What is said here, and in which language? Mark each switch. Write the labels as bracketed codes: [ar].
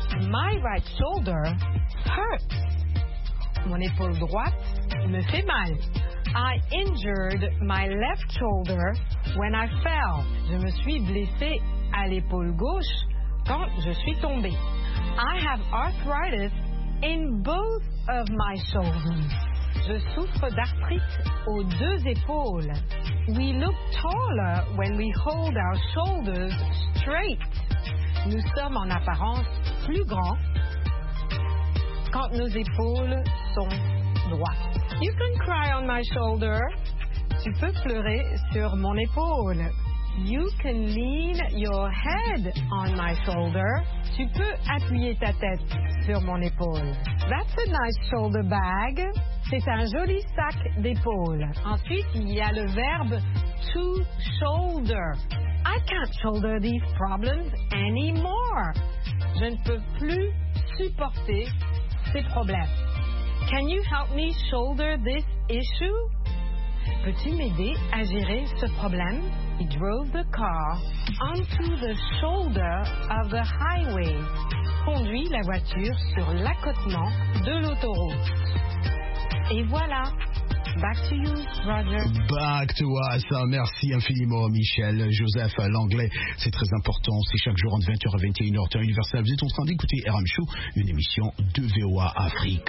[en] My right shoulder hurts. [fr] Mon épaule droite me fait mal. [en] I injured my left shoulder when I fell. [fr] Je me suis blessée à l'épaule gauche quand je suis tombée. [en] I have arthritis in both of my shoulders. [fr] Je souffre d'arthrite aux deux épaules. [en] We look taller when we hold our shoulders straight. [fr] Nous sommes en apparence plus grands quand nos épaules sont droites. [en] You can cry on my shoulder. [fr] Tu peux pleurer sur mon épaule. [en] You can lean your head on my shoulder. [fr] Tu peux appuyer ta tête sur mon épaule. [en] That's a nice shoulder bag. [fr] C'est un joli sac d'épaule. Ensuite, il y a le verbe to shoulder. [en] I can't shoulder these problems anymore. [fr] Je ne peux plus supporter ces problèmes. [en] Can you help me shoulder this issue? [fr] Peux-tu m'aider à gérer ce problème? [en] He drove the car onto the shoulder of the highway. [fr] Conduit la voiture sur l'accotement de l'autoroute. Et voilà. [en] Back to you, Roger. Back to us. [fr] Merci infiniment, [en] Michel. [fr] Joseph, l'anglais, c'est très important. C'est chaque jour entre 20h et 21h, temps universel. Vous êtes en train d'écouter RM Show, une émission de VOA Afrique.